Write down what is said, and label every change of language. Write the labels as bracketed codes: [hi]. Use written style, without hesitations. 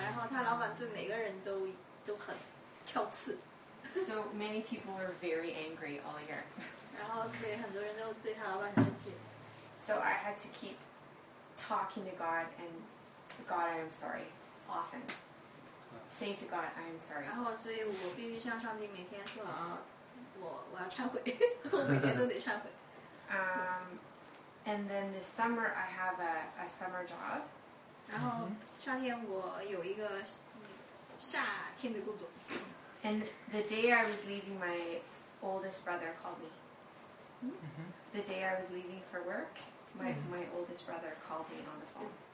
[zh] 然后他老板对每个人都很挑刺。 [en] So many people were very angry all year. [zh] 然后所以很多人都对他老板生气。 [en] So I had to keep talking to God and, God, I am sorry, often. Saying to God, I am sorry. [zh] 然后所以我必须向上帝每天说我要忏悔。我每天都得忏悔。 [en] And then this summer, I have a summer job. [zh] 然后夏天我有一个夏天的工作。 [en] And the day I was leaving, my oldest brother called me. The day I was leaving for work, my oldest brother called me on the phone.